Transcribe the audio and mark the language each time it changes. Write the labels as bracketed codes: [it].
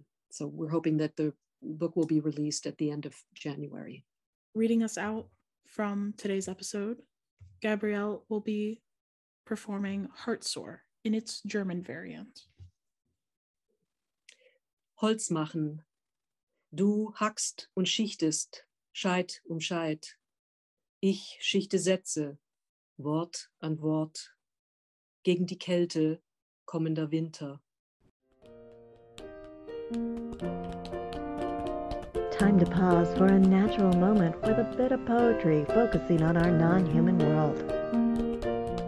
[en] So we're hoping that the book will be released at the end of January. Reading us out from today's episode, Gabrielle will be performing Heartsore in its German variant. [de] Holz machen. Du hackst und schichtest, Scheit um Scheit. Ich schichte Sätze, Wort an Wort. Gegen die Kälte kommender Winter. [en] Time to pause for a natural moment with a bit of poetry focusing on our non-human world.